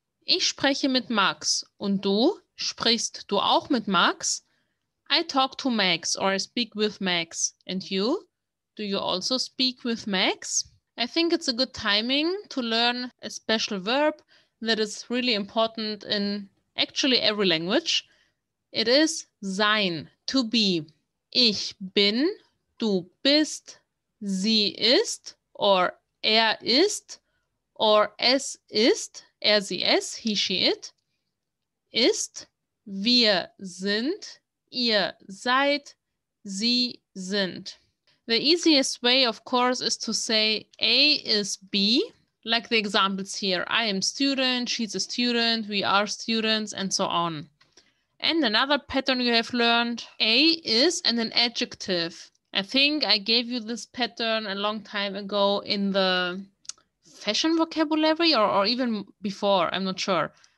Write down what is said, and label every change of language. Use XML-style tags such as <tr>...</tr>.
<de>Ich spreche mit Max. Und du? Sprichst du auch mit Max?</de> <en>I talk to Max or I speak with Max. And you? Do you also speak with Max? I think it's a good timing to learn a special verb that is really important in actually every language. It is sein, to be.</en> <de>Ich bin, du bist, sie ist, or er ist, or es ist, er, sie, es,</de> <en>he, she, it,</en> <de>ist, wir sind, ihr seid, sie sind.</de> <en>The easiest way, of course, is to say A is B, like the examples here. I am student, she's a student, we are students, and so on. And another pattern you have learned, A is and an adjective. I think I gave you this pattern a long time ago in the fashion vocabulary or even before, I'm not sure.</en>